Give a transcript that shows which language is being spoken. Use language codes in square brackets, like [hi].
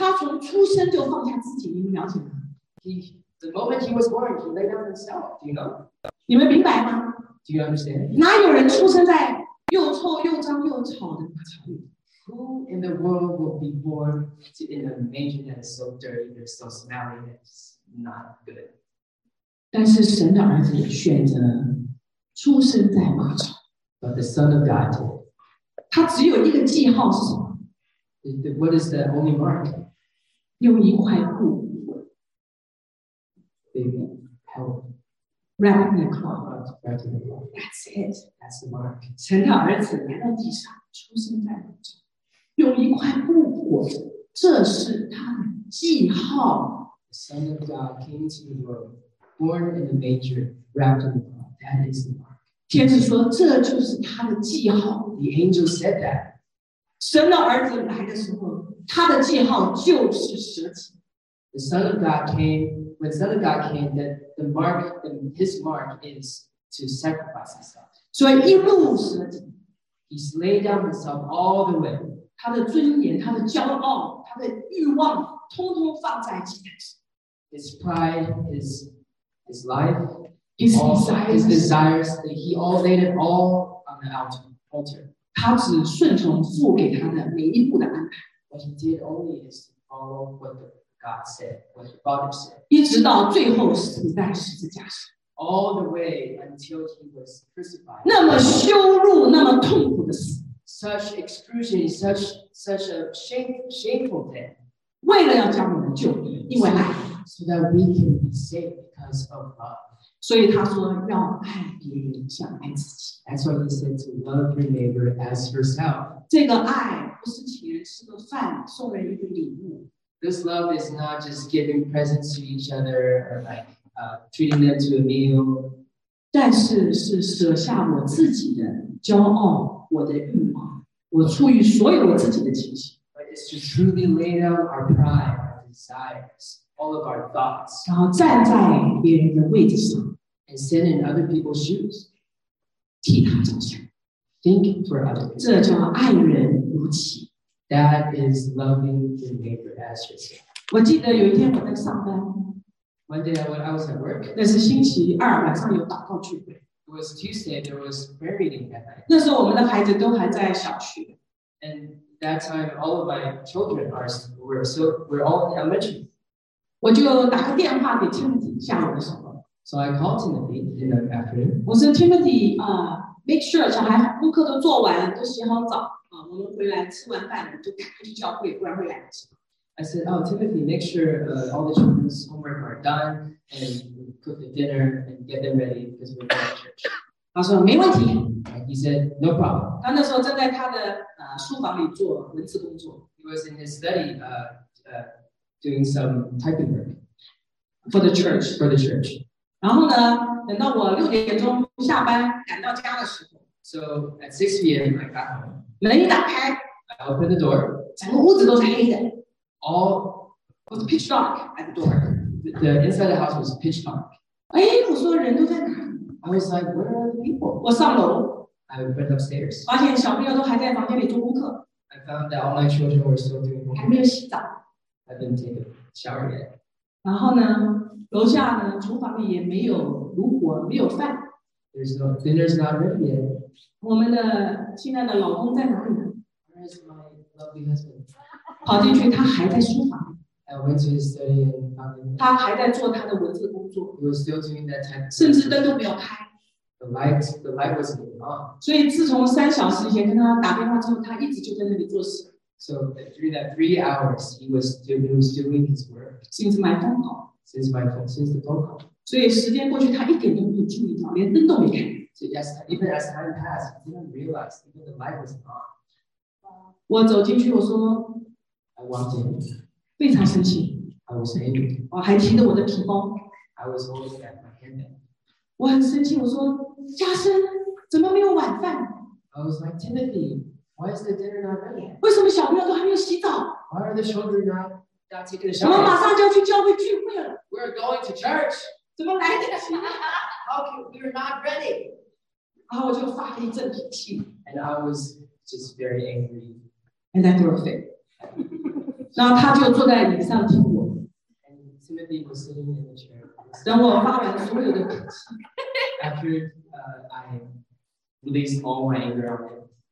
[zh] 他从出生就放下自己，你们了解吗？ [en] The moment he was born, he laid down himself. Do you know? [zh] 你们明白吗？ [en] Do you understand? [zh] 哪有人出生在又臭又脏又吵的家庭？ [en] Who in the world will be born in a manger that is so dirty, that is so smelly, that is not good? [zh] 但是神的儿子选择出生在马槽。 [en] But the Son of God did. [zh] 他只有一个记号是什么？ [en] What is the only mark? [zh] 用一块布 [en] baby, help. Wrap in a cloth. Wrap in a cloth. That's it. That's the mark. [zh] 神的儿子来到地上，出生在马槽，用一块布裹着，这是他的记号。 [en] The Son of God came to the world, born in a manger, wrapped in a cloth. That is the mark. [zh] 天使说，这就是他的记号。 [en] The angel said that. [zh] 神的儿子来的时候，他的记号就是十字。 [en] The Son of God came. When Son of God came, that the mark, his mark is to sacrifice himself. [zh] 所以一路十字 [en] ，He laid down himself all the way. [zh] 他的尊严、他的骄傲、他的欲望，通通放在祭坛上。 [en] His pride, his life, his desires, he all laid it all on the altar. [zh] 他只顺从父给他的每一步的安排。 [en] What he did only is follow what God said, what his father said. [zh] 一直到最后死在十字架上。 [en] All the way until he was crucified. [zh] 那么羞辱，那么痛苦的死。 [en] Such excruciating, such a shameful death. [zh] 为了要将我们救你，因为爱。 [en] So that we can be saved because of love. [zh] 所以他说要爱别人像爱自己。 [en] That's what he said, to love your neighbor as yourself. [zh] 这个爱不是情人吃个饭送人一个礼物。 [en] This love is not just giving presents to each other or like treating them to a meal. [zh] 但是是舍下我自己的骄傲，我的欲望，我出于所有我自己的情形。 [en] But it's to truly lay down our pride, our desires, all of our thoughts. [zh] 然后站在别人的位置上 [en] and sit in other people's shoes. [zh] 替他着想 [en] ，Think for others. [zh] 这叫爱人如己。 [en] That is loving your neighbor as yourself. [zh] 我记得有一天我在上班。 [en] One day when I was at work. [zh] 那是星期二晚上有祷告聚会。 [en] It was Tuesday. There was prayer meeting that night. [zh] 那时候我们的孩子都还在小学。 [en] And that time, all of my children were all in elementary. [zh] 我就打个电话给 Timothy 下午的时候。 [en] So I called Timothy in the afternoon. [zh] 我说 Timothy, [en] make sure [zh] 小孩功课都做完了，都洗好澡啊，我们回来吃完饭就赶快去教会，不然会来不及。 [en] I said, oh, Timothy, make sure all the children's homework are done and cook the dinner and get them ready because we're going to church. [zh] 他说没问题。 [en] He said, no problem. [zh] 他那时候正在他的书房里做文字工作。 [en] He was in his study, doing some typing work for the church. For the church. [zh] 然后呢，等到我六点钟下班赶到家的时候 [en] ，So at 6 p.m. I got home. [zh] 门一打开 [en] ，I opened the door. [zh] 整个屋子都是黑的。 [en] All was pitch dark at the door. The inside of the house was pitch dark. [zh] 哎，我说人都在哪 [en] ？I was like, where are the people? [zh] 我上楼 [en] ，I went upstairs. [zh] 发现小朋友都还在房间里做功课。 [en] I found that all my children were still doing homework. [zh] 还没有洗澡。 [en] I didn't take a shower yet. [zh] 然后呢？楼下呢，厨房里也没有炉火，没有饭。 [en] There's no dinner's not ready yet. [zh] 我们的亲爱的老公在哪里呢 [en] ？Where's my lovely husband? [zh] 跑进去，他还在书房。 [en] I went to his study and found him. [zh] 他还在做他的文字工作。 [en] He was still doing that type. [zh] 甚至灯都没有开。 [en] The light was on. [zh] 所以自从三小时以前跟他打电话之后，他一直就在那里做事。 [en] So during that 3 hours, he was doing his work. [zh] 甚至买灯泡。 [en] Since my phone, since the phone call. [zh] 所以时间过去，他一点都没有注意到，连灯都没开。 [en] So yes, even as time passed, he didn't realize even the light was on. [zh] 我走进去，我说 [en] ，I want in， [zh] 非常生气 [en] ，I was angry， [zh] 我还提着我的皮包 [en] ，I was holding back my handbag， [zh] 我很生气，我说，嘉升，怎么没有晚饭 [en] ？I was like Timothy， why is the dinner not ready？ [zh] 为什么小朋友都还没有洗澡 [en] ？Why are the children not taking a shower？ [zh] 我们马上就要去教会聚会了 [en] ，We're going to church， [zh] 怎么来得及 [en] ？How can we're not ready？ [zh] 然后我就发了一阵脾气 [en] ，And I was just very angry。 And that was it. [zh] 然后他就坐在椅子上听我。 [en] And Timothy was sitting in the chair. [zh] 等我发完所有的脾气。 [en] After I released all my anger on him.